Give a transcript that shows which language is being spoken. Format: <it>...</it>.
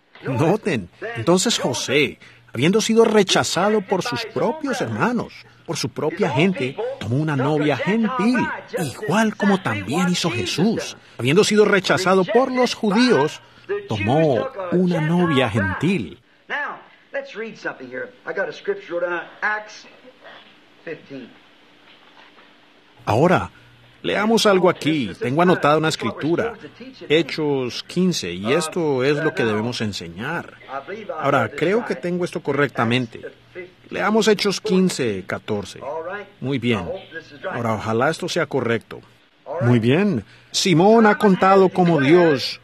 <es>Noten, entonces José, habiendo sido rechazado por sus propios hermanos, por su propia gente, tomó una novia gentil, igual como también hizo Jesús. Habiendo sido rechazado por los judíos, tomó una novia gentil.</es> <en>Let's read something here. I got a scripture wrote down, Acts 15.</en> <es>Ahora, leamos algo aquí. Tengo anotada una escritura, Hechos 15, y esto es lo que debemos enseñar. Ahora, creo que tengo esto correctamente. Leamos Hechos 15, 14. Muy bien. Ahora, ojalá esto sea correcto. Muy bien. Simón ha contado como Dios...</es>